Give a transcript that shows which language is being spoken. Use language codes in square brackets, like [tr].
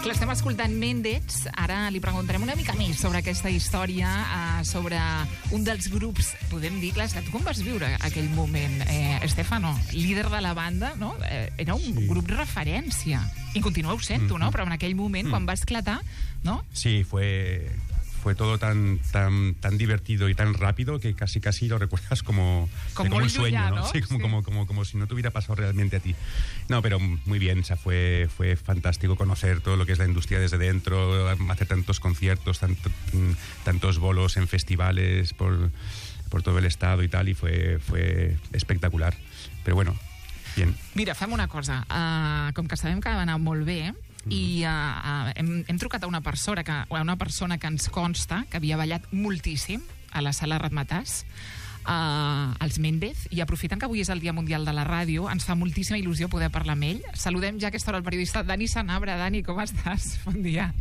[ca] Escoltant Mendez, ara li preguntarem una mica més sobre aquesta història, sobre un dels grups, podem dir, clar, que tu com vas viure aquell moment, Estefano, líder de la banda, no? Era un grup referència, i continueu sent-ho, no? Però en aquell moment, quan va esclatar, no? [es] Sí, fue todo tan divertido y tan rápido que casi lo recuerdas como un sueño, ¿no? Sí, como si no te hubiera pasado realmente a ti. No, pero muy bien, o sea, fue fantástico conocer todo lo que es la industria desde dentro, hacer tantos conciertos, tantos bolos en festivales por todo el estado y tal, y fue espectacular. Pero bueno, bien. [ca] Mira, fem una cosa. Com que sabem que va anar molt bé, i hem trucat a una persona que ens consta que havia ballat moltíssim a la sala Ratmetàs, als Méndez, i aprofitant que avui és el Dia Mundial de la Ràdio, ens fa moltíssima il·lusió poder parlar amb ell. Saludem ja a aquesta hora el periodista Dani Sanabra. Dani, com estàs? Bon dia.